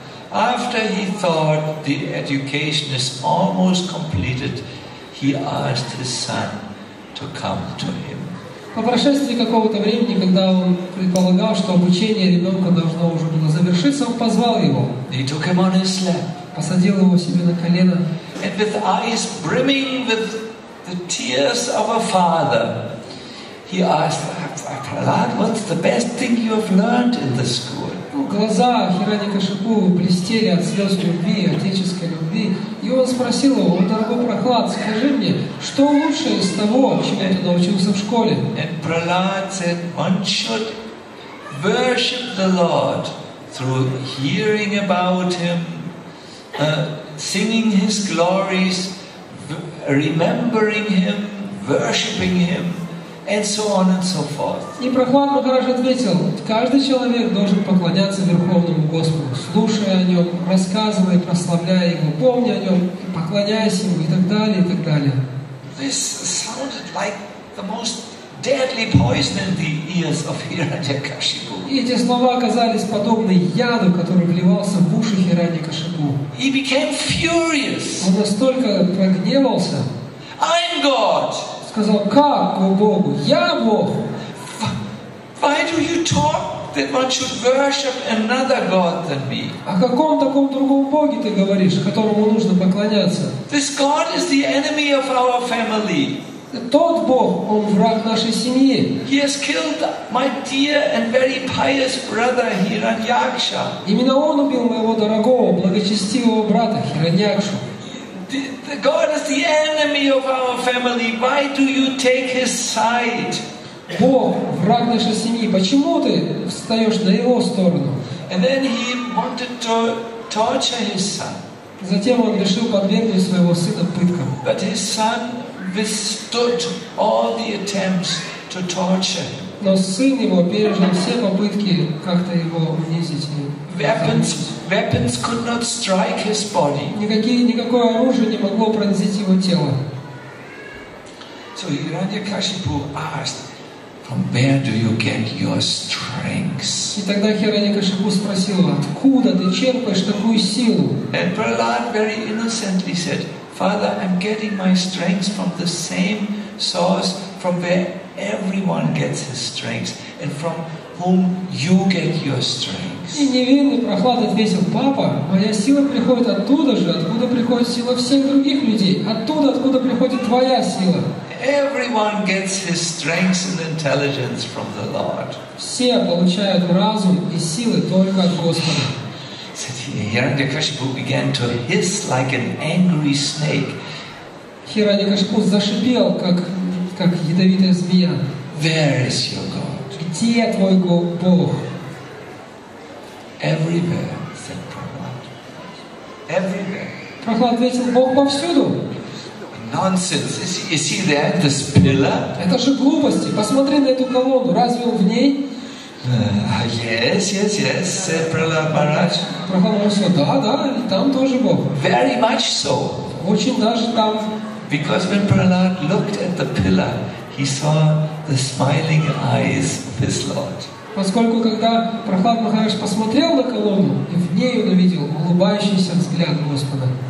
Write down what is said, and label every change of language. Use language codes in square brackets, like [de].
[en] After he thought the education is almost completed, he asked his son to come to him. [ru] По прошествии какого-то времени, когда он предполагал, что обучение ребенка должно уже было завершиться, он позвал его. [en] He took him on his lap. [ru] Посадил его себе на колено. [en] And with eyes brimming with the tears of a father, he asked, "Prahlad, what's the best thing you have learned in the school?" [ru] Глаза Хирани Кашипу блестели от слез любви, отеческой любви. И он спросил его: "О, дорогой Прохлад, скажи мне, что лучше из того, чему ты научился в школе?" [en] And Prahlad said, "One should worship the Lord through hearing about Him, singing His glories, remembering Him, worshiping Him, and so on and so forth." [ru] И Прохлад Махарадж ответил: "Каждый человек должен поклоняться Верховному Господу, слушая о Нем, рассказывая, прославляя Его, помня о Нем, поклоняясь Ему и так далее, и так далее." [en] This sounded like the most deadly poison in the ears of Hiranyakashipu. [ru] И эти слова оказались подобны яду, который вливался в уши Хиранякашипу. He became furious. Он настолько прогневался. [en] "I'm God!" [ru] Сказал: "Как, о Богу? Я Бог! [en] Why why do you talk that one should worship another god than me? [ru] О каком таком другом боге ты говоришь, которому нужно поклоняться? [en] This god is the enemy of our family. [ru] Тот бог, он враг нашей семьи. [en] He has killed my dear and very pious brother Hiranyaksha. [ru] Именно он убил моего дорогого, благочестивого брата Хираньякшу. [en] The god is the enemy of our family. Why do you take his side? [ru] Бог, враг нашей семьи, почему ты встаешь на его сторону? [en] And then he wanted to torture his son. [ru] Затем он решил подвергнуть своего сына пыткам. [en] But his son withstood all the attempts to torture. [ru] Но сын его пережил все попытки как-то его унизить. [en] Weapons could not strike his body. [ru] Никакое оружие не могло пронзить его тело. [en] So Hiranyakashipu asked, "From where do you get your strength?" [ru] И тогда Хираньякашипу спросил, откуда ты черпаешь такую силу? [en] And Prahlad very innocently said, "Father, I'm getting my strength from the same source from where everyone gets his strength, and from whom you get your strength." [ru] И невинный Прохлад ответил: "Папа, моя сила приходит оттуда же, откуда приходит сила всех других людей, оттуда, откуда приходит твоя сила." [en] Everyone gets his strength and intelligence from the Lord. [ru] Все получают разум и силы только от Господа. [en] Hiranyakashipu began to hiss like an angry snake. [ru] Hiranyakashipu зашипел как ядовитая змея. [en] Where is your God? [ru] Где твой Бог? [en] Everywhere, said Prahlad. Everywhere. [ru] Прохлад ответил: Бог повсюду. [en] Nonsense. Is he there at this pillar? [ru] Это же глупости. Посмотри на эту колонну. Разве он в ней? [en] Yes, said Prahlad Maharaj. [ru] Прохлад сказал: да, да, и там тоже Бог. [en] Very much so. [ru] Очень даже там. [en] Because when Prahlad looked at the pillar, he saw the smiling eyes of his Lord. [ru] Поскольку когда Прохлад Махараш посмотрел на колонну, и в ней он увидел улыбающийся взгляд Господа.